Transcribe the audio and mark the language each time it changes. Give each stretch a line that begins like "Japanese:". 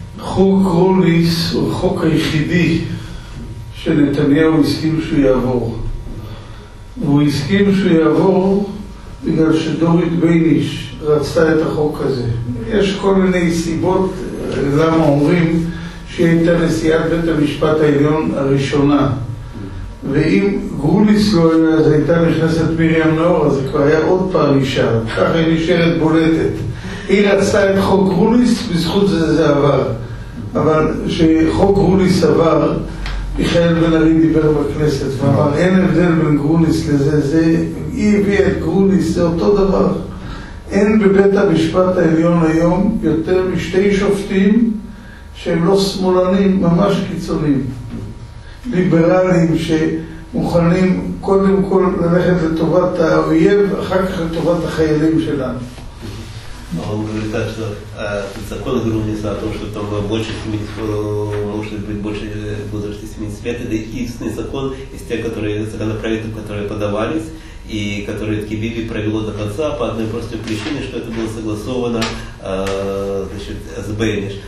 Hebrew: Хок Грулис, хок Айхиди,
Russian: что Нетаньяху искал, что я вор.
Hebrew: והוא הסכים שהוא יעבור בגלל שדורית בייניש רצתה את החוק הזה. יש כל מיני סיבות למה אומרים שהיא הייתה נשיאת בית המשפט העליון הראשונה. ואם גרוליס לא היה, אז הייתה נכנסת מרים נאור, אז כבר היה עוד פעם אישה, ככה היא נשארת בולטת. היא רצתה את חוק גרוליס, בזכות זה זה עבר. אבל שחוק גרוליס עבר, מיכאל בן-ארי דיבר בכנסת, ואמר, אין הבדל בין גרוניס לזה, זה, היא הביאה את גרוניס, זה אותו דבר. אין בבית המשפט העליון היום יותר משתי שופטים שהם לא שמאלנים, ממש קיצוניים. ליברליים שמוכנים קודם כל ללכת לטובת האויב, אחר כך לטובת החיילים שלנו.
Russian: А он говорит так, что закон Грулиса о том, что там больше 70, может быть больше возраста 70 лет, это единственный закон из тех, которые законопроектов, которые подавались, и которые Кибиби провело до конца по одной простой причине, что это было согласовано значит, с Бейниш.